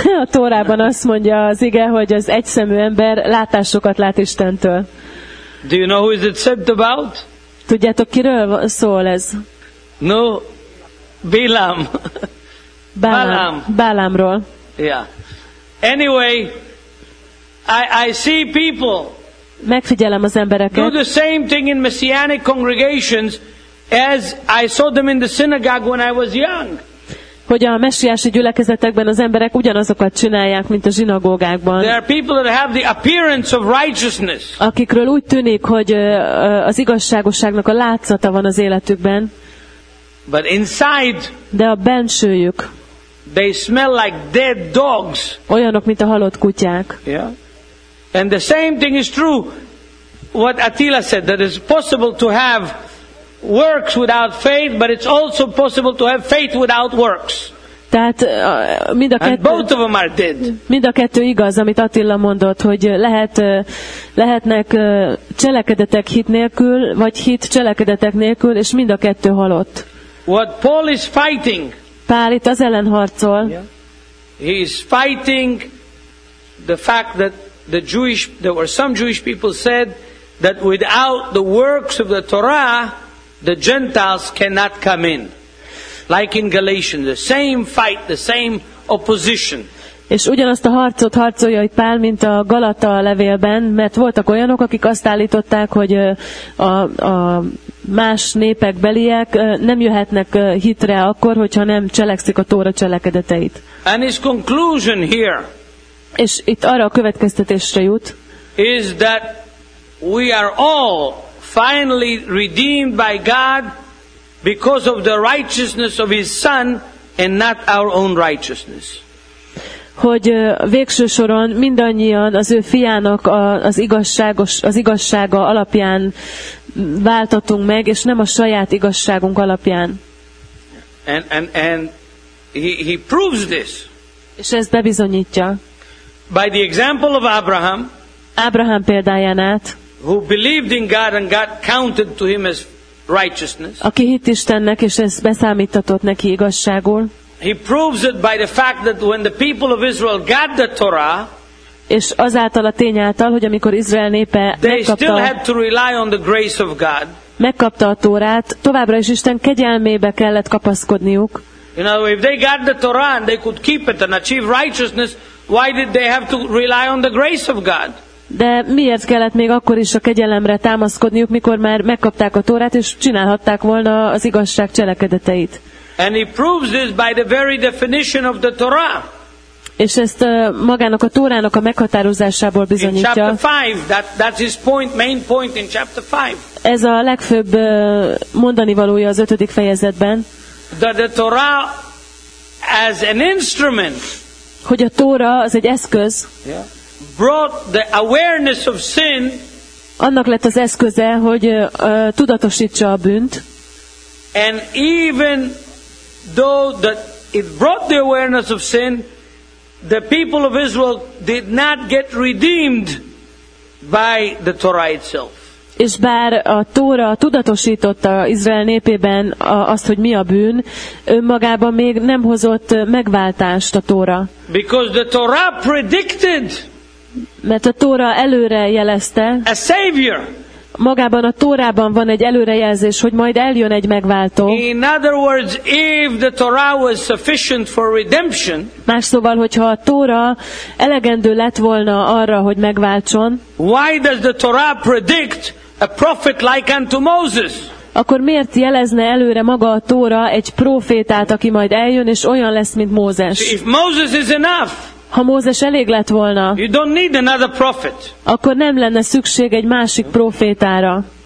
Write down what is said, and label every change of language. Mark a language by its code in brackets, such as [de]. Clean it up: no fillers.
[hu] A Tórában azt mondja az ige, hogy az egyszemű ember látásokat lát Istentől. [en] Do you know who is it said about? [hu] Tudjátok, kiről szól ez? [en] No, Bilam. [hu] Balaam. Balaamról. [en] Yeah. Anyway, I see people. [hu] Megfigyelem az embereket. [en] Do the same thing in messianic congregations. As I saw them in the synagogue when I was young. [hu] Hogy a messiási gyülekezetekben az emberek ugyanazokat csinálják, mint a zsinagógákban. [en] There are people that have the appearance of righteousness. [hu] Akikről úgy tűnik, hogy az igazságosságnak a látszata van az életükben. [en] But inside. [hu] De a bensőjük. [en] They smell like dead dogs. [hu] Olyanok, mint a halott kutyák. [en] Yeah. And the same thing is true. What Attila said, that it's possible to have works without faith, but it's also possible to have faith without works. [hu] Tehát mind a kettő, [en] both of them are dead. [hu] Mind a kettő igaz, amit Attila mondott, hogy lehetnek cselekedetek hit nélkül, vagy hit cselekedetek nélkül, és mind a kettő halott. [en] What Paul is fighting? [hu] Pál itt az ellen harcol. [en] Yeah. He is fighting the fact that there were some Jewish people said that without the works of the Torah, the Gentiles cannot come in. Like in Galatians, the same fight, the same opposition. [hu] És ugyanazt a harcot harcolja itt Pál, mint a Galata levélben, mert voltak olyanok, akik azt állították, hogy a más népek beliek nem jöhetnek hitre akkor, hogyha nem cselekszik a Tóra cselekedeteit. [en] And his conclusion here, [hu] és itt arra a következtetésre jut, [en] is that we are all finally redeemed by God because of the righteousness of his son and not our own righteousness. [hu] Hogy végső soron mindannyian az ő fiának az igazsága alapján váltatunk meg, és nem a saját igazságunk alapján. [en] And he proves this. [hu] És ezt bebizonyítja. [en] By the example of Abraham. [hu] Abraham példáján át. [en] Who believed in God and God counted to him as righteousness. [hu] Aki hitt Istennek, és ezt beszámítatott neki igazságul. [en] He proves it by the fact that when the people of Israel got the Torah, [hu] és azáltal a tény által, hogy amikor Izrael népe megkapta, [en] they still had to rely on the grace of God. [hu] Megkapta a Tórát, továbbra is Isten kegyelmébe kellett kapaszkodniuk. [en] You know, if they got the Torah and they could keep it and achieve righteousness, why did they have to rely on the grace of God? [hu] De miért kellett még akkor is a kegyelemre támaszkodniuk, mikor már megkapták a Tórát és csinálhatták volna az igazság cselekedeteit? [en] And he proves this by the very definition of the Torah. [hu] És ezt magának a Tórának a meghatározásából bizonyítja. [en] In chapter 5, that's his point, main point in chapter 5. [hu] Ez a legfőbb mondani valója az 5. fejezetben. [en] That the Torah as an instrument. [hu] Hogy a Tóra az egy eszköz. [en] Yeah. Brought the awareness of sin. [hu] Annak lett az eszköze, hogy tudatosítsa a bűnt. [en] And even though that it brought the awareness of sin, the people of Israel did not get redeemed by the Torah itself. [hu] És bár a Tóra tudatosította Izrael népében azt, hogy mi a bűn, önmagában még nem hozott megváltást a Tóra. [en] Because the Torah predicted, [hu] mert a Tóra előre jelezte, [en] a savior. [hu] Magában a Tórában van egy előrejelzés, hogy majd eljön egy megváltó. [en] In other words, if the Torah was sufficient for redemption, [hu] más szóval, hogyha a Tóra elegendő lett volna arra, hogy megváltson, [en] why does the Torah predict a prophet like unto Moses? [hu] Akkor miért jelezne előre maga a Tóra egy prófétát, aki majd eljön és olyan lesz, mint Mózes? [en] If Moses is enough, [hu] ha Mózes elég lett volna, [en] you don't need another prophet. [hu] Akkor nem lenne szükség egy másik prófétára.